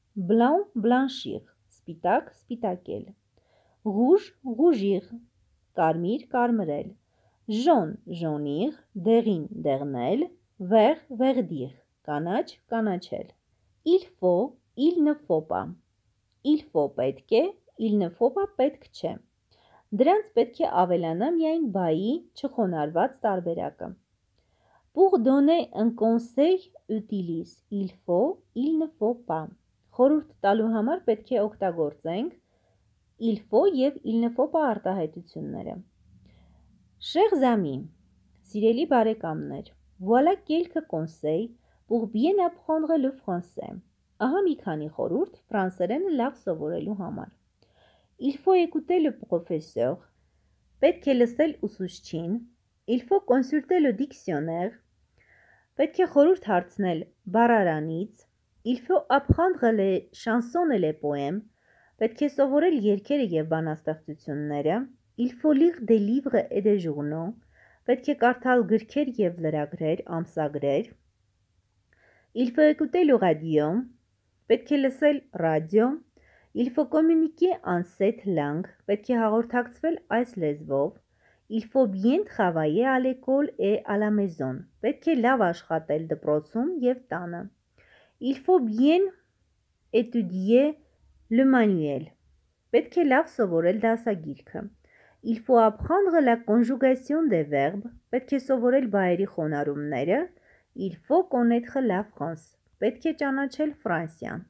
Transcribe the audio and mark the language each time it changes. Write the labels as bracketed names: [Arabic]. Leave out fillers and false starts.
[French] Blanc, blanchir, [Armenian] սպիտակ, սպիտակել. [French] Rouge, rougir, [Armenian] կարմիր, կարմրել. [French] Jaune, jaunir, [Armenian] դեղին, դեղնել. [French] Vert, verdir, [Armenian] կանաչ, կանաչել. [French] Il faut, il ne faut pas. Il faut [Armenian] պետք է, [French] il ne faut pas [Armenian] պետք չէ։ Դրանց պետք է ավելանամ միայն բայի չխոնարհված տարբերակը։ [French] Pour donner un conseil, utilise il faut, il ne faut pas. [Armenian] Խորհուրդ տալու համար պետք է օգտագործենք il faut եւ il ne faut pas արտահայտությունները։ [French] Chers amis, [Armenian] սիրելի բարեկամներ, [French] voilà quelques conseils pour bien apprendre le français. [Armenian] Ահա մի քանի խորհուրդ ֆրանսերենը լավ սովորելու համար։ [French] Il faut écouter le professeur. [Armenian] Պետք է լսել ուսուցչին։ [French] Il faut consulter le dictionnaire. [Armenian] Պետք է խորհուրդ հարցնել բառարանից։ [French] Il faut apprendre les chansons et les poèmes. [Armenian] Պետք է սովորել երգերը եւ բանաստեղծությունները։ [French] Il faut lire des livres et des journaux. [Armenian] Պետք է կարդալ գրքեր եւ լրագրեր, ամսագրեր։ [French] Il faut écouter le radio. [Armenian] Պետք է լսել ռադիո։ [French] Il faut communiquer en cette langue. [Armenian] Պետք է հաղորդակցվել այս լեզվով։ [French] Il faut bien travailler à l'école et à la maison. [Armenian] Պետք է լավ աշխատել դպրոցում եւ տանը։ [French] Il faut bien étudier le manuel. [Armenian] Պետք է լավ սովորել դասագիրքը։ [French] Il faut apprendre la conjugation des verbes. Պետք է սովորել բայերի խոնարհումները։ Il faut connaître la France. [Armenian] Պետք է ճանաչել Ֆրանսիան։